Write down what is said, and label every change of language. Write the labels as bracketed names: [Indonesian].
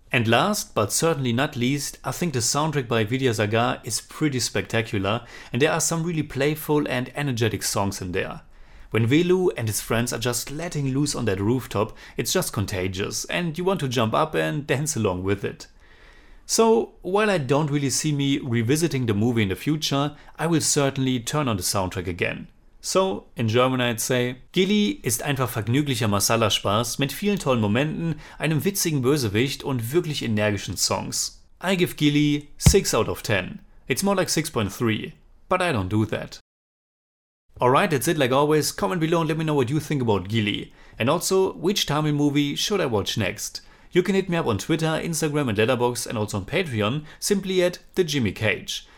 [English] And last, but certainly not least, I think the soundtrack by Vidyasagar is pretty spectacular, and there are some really playful and energetic songs in there. When Velu and his friends are just letting loose on that rooftop, it's just contagious, and you want to jump up and dance along with it. So, while I don't really see me revisiting the movie in the future, I will certainly turn on the soundtrack again. So, in German I'd say, [German] Ghilli ist einfach vergnüglicher Masala-Spaß mit vielen tollen Momenten, einem witzigen Bösewicht und wirklich energischen Songs. [English] I give Ghilli 6 out of 10. It's more like 6.3, but I don't do that. Alright, that's it like always, comment below and let me know what you think about Ghilli. And also, which Tamil movie should I watch next? You can hit me up on Twitter, Instagram and Letterboxd and also on Patreon, simply at The Jimmy Cage.